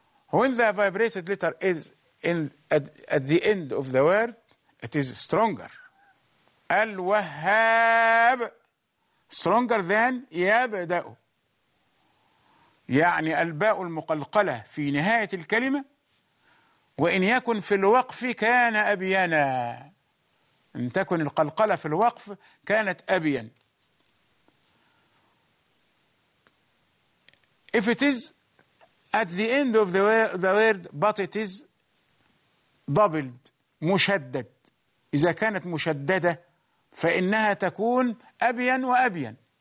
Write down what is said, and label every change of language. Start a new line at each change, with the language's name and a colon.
English: When the vibrated letter is at the end of the word, it is stronger.
Arabic: الوهاب.
English: Stronger than يبدأ.
Arabic: يعني الباء المقلقلة في نهاية الكلمة، وإن يكن في الوقف كان أبينا. إن تكن القلقلة في الوقف كانت أبين.
English: If it is at the end of the word, but it is doubled, مشدد.
Arabic: إذا كانت مشددة فإنها تكون أبين وأبين.